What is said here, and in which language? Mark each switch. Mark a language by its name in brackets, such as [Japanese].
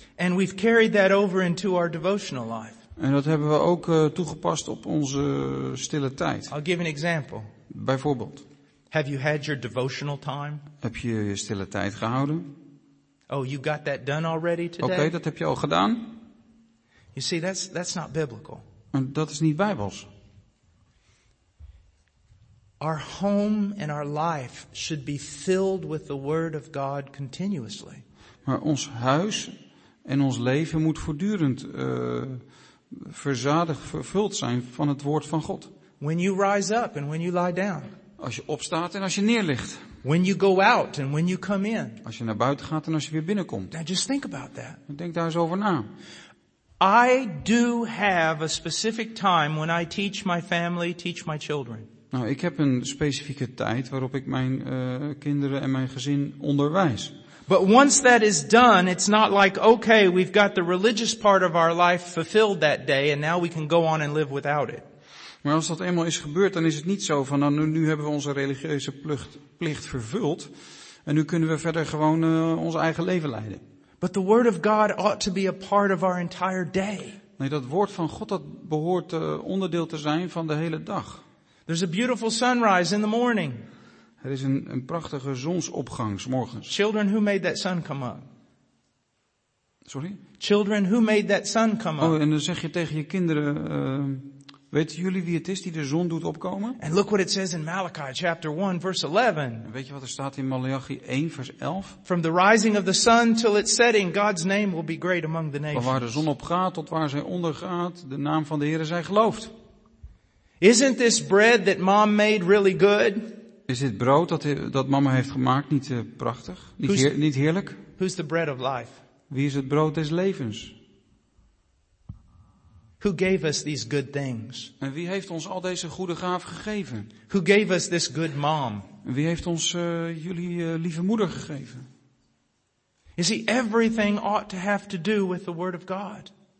[English] And we've carried that over into our devotional life. [Dutch] En dat hebben we ook toegepast op onze stille tijd. [English] I'll give an example. [Dutch] Bijvoorbeeld. [English] Have you had your devotional time? [Dutch] Heb je je stille tijd gehouden? [English] Oh, you got that done already today? [Dutch] Oké, dat heb je al gedaan. [English] You see, that's not biblical. [Dutch] En dat is niet bijbels. [English] Our home and our life should be filled with the word of God continuously. [Dutch] Maar ons huis en ons leven moet voortdurend vervuld zijn van het woord van God. [English] When you rise up and when you lie down. [Dutch] Als je opstaat en als je neerligt. [English] When you go out and when you come in. [Dutch] Als je naar buiten gaat en als je weer binnenkomt. [English] Now just think about that. [Dutch] Denk daar eens over na. [English] I do have a specific time when I teach my family, teach my children. [Dutch] Nou, ik heb een specifieke tijd waarop ik mijn kinderen en mijn gezin onderwijs. [English] But once that is done, it's not like, okay, we've got the religious part of our life fulfilled that day and now we can go on and live without it. [Dutch] Maar als dat eenmaal is gebeurd, dan is het niet zo van, nou, nu hebben we onze religieuze plicht vervuld en nu kunnen we verder gewoon ons eigen leven leiden. [English] But the word of God ought to be a part of our entire day. [Dutch] Nee, dat woord van God dat behoort onderdeel te zijn van de hele dag. [English] There's a beautiful sunrise in the morning. [Dutch] Er is een prachtige zonsopgang 's morgens. [English] Children, who made that sun come up? [Dutch] Sorry? [English] Children, who made that sun come up? [Dutch] Oh, en dan zeg je tegen je kinderen. Weten jullie wie het is die de zon doet opkomen? [English] And look what it says in Malachi chapter 1 verse 11. [Dutch] En weet je wat er staat in Malachi 1 vers 11? [English] From the rising of the sun till its setting, God's name will be great among the nations. [Dutch] Van waar de zon opgaat tot waar zij ondergaat, de naam van de Heere zij geloofd. [English] Isn't this bread that mom made really good? [Dutch] Is dit brood dat mama heeft gemaakt niet prachtig? Niet heerlijk? [English] Who's the bread of life? [Dutch] Wie is het brood des levens? [English] Who gave us these good things? [Dutch] En wie heeft ons al deze goede gaven gegeven? [English] Who gave us this good mom? [Dutch] En wie heeft ons jullie lieve moeder gegeven? [English] You see, everything ought to have to do with the word of God.